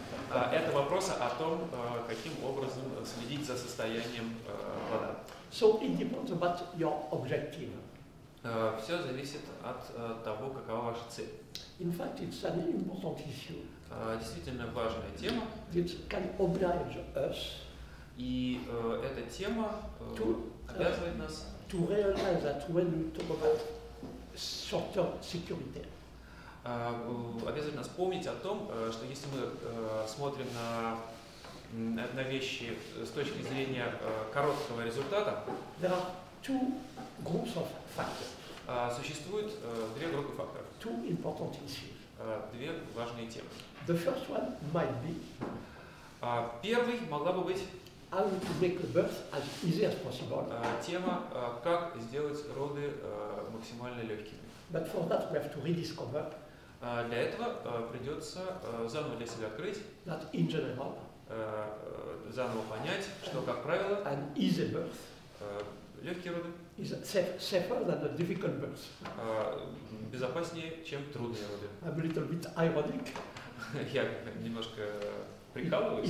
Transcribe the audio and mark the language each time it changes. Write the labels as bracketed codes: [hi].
[ru] Это вопрос о том, каким образом следить за состоянием плода. [en] So it depends about your objective. [ru] Все зависит от того, какова ваша цель. [en] In fact, it's an important issue. [ru] Действительно важная тема. [en] It can oblige us. [ru] И эта тема обязывает нас [en] to realize that when we talk about short-term security, [ru] обязывает нас помнить о том, что если мы смотрим на вещи с точки зрения короткого результата, [en] there are two groups of factors. [ru] Существует две группы факторов. [en] Two important issues. [ru] Две важные темы. [en] The first one might be. [ru] Первый могла бы быть. [en] How to make the birth as easy as possible. [ru] Тема как сделать роды максимально легкими. [en] But for that we have to rediscover. [ru] Для этого придется заново для себя открыть. [en] That in general. [ru] Заново понять, что как правило. [en] An easy birth. [ru] Легкие роды. [en] Is safer than a difficult birth. [ru] Безопаснее, чем трудные роды. [en] A little bit ironic. [ru] Я немножко прикалываюсь.